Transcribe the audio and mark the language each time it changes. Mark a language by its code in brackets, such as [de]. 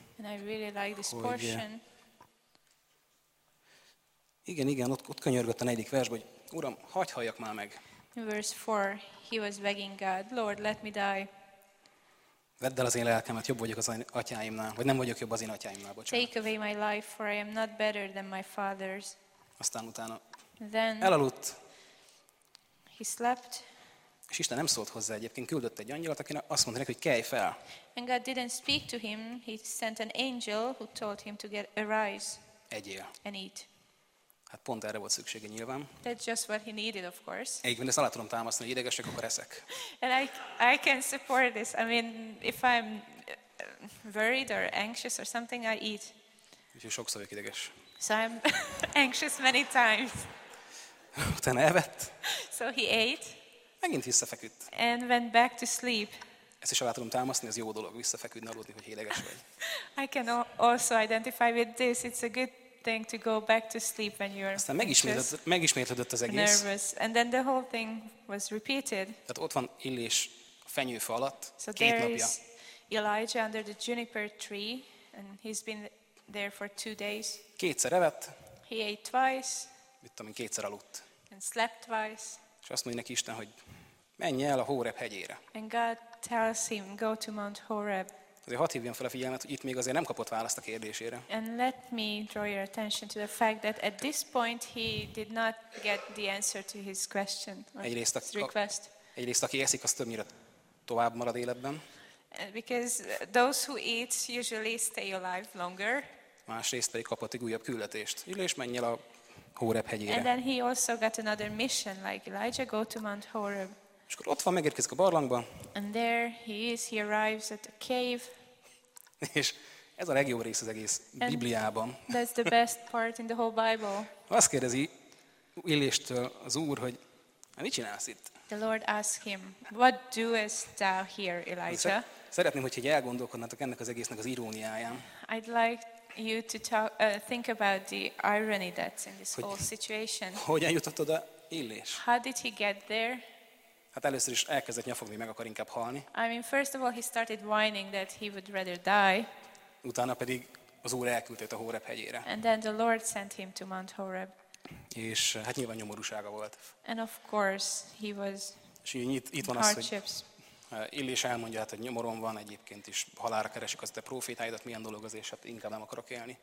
[en] And I really like this portion. [hu] Igen, ott könyörgött a negyedik versben, hogy Uram, hagy halljak már meg. [en] Verse 4, he was begging God, Lord, let me die. [hu] Vedd el az én lelkemet, jobb vagyok az atyáimnál, vagy nem vagyok jobb az én atyáimnál, bocsánat. [en] Take away my life, for I am not better than my father's. [hu] Aztán utána [en] then [hu] elaludt. [en] He slept. [hu] És Isten nem szólt hozzá egyébként, küldött egy angyalt, akinek azt mondta neki, hogy kelj fel. [en] And God didn't speak to him, he sent an angel who told him to get arise. [hu] Egyél. [en] And eat. [hu] Hát pont erre volt szüksége nyilván. [en] That's just what he needed, of course. [hu] Egyébként ezt alá tudom támasztani, hogy idegesek, akkor eszek. [en] And I can support this. I mean, if I'm worried or anxious or something, I eat. [hu] Úgyhogy sokszor vagyok ideges. [en] So I'm anxious many times. [hu] Utána evett. [en] So he ate. [hu] Megint visszafeküdt. [en] And went back to sleep. [hu] Ezt is alá tudom támasztani, ez jó dolog, visszafeküdni, aludni, hogy ideges vagy. [en] I can also identify with this. It's a good thing to go back to sleep when you're [hu] aztán megismétlődött az egész. [en] Nervous. And then the whole thing was repeated. [hu] Tehát ott van Illés a fenyőfa alatt, [en] so [hu] két napja. [en] Is Elijah under the juniper tree and he's been there for two days. [hu] Kétszer evett. [en] He ate twice. [hu] Mit tudom én, kétszer aludt. [en] And slept twice. [hu] És azt mondja neki Isten, hogy menj el a Horeb hegyére. [en] And God tells him, go to Mount Horeb. [hu] Azért hadd hívjam fel a figyelmet, hogy itt még azért nem kapott választ a kérdésére. [en] And let me draw your attention to the fact that at this point he did not get the answer to his question or his request. [hu] Egyrészt aki eszik, az többnyire tovább marad életben. [en] Because those who eat usually stay alive longer. [hu] Másrészt pedig kapott egy újabb küldetést. Illés, menj el a Horeb hegyére. [en] And then he also got another mission, like Elijah, go to Mount Horeb. [hu] És akkor ott van, megérkezik a barlangba. [en] And there he is, he arrives at the cave. [hu] És ez a legjobb rész az egész [en] and [hu] Bibliában. [en] That's the best part in the whole Bible. [hu] Azt kérdezi Illéstől az Úr, hogy mit csinálsz itt? [en] The Lord asks him, what doest thou here, Elijah? [hu] Szeretném, hogyha elgondolkodnátok ennek az egésznek az iróniáján. [en] I'd like you to talk, think about the irony that's in this whole situation. [hu] Hogyan jutott oda Illés? [en] How did he get there? [hu] Hát először is elkezdett nyafogni, meg akar inkább halni. [en] I mean, first of all, he started whining that he would rather die. [hu] Utána pedig az Úr elküldte a Horeb hegyére. [en] And then the Lord sent him to Mount Horeb. [hu] És hát nyilván nyomorúsága volt. [en] And of course, he was [hu] és így, itt van [en] hardships. [hu] Az, hogy Illés elmondja, hát, hogy nyomorom van egyébként is, halálra keresik az te prófétáidat, milyen dolog az, és hát inkább nem akarok élni.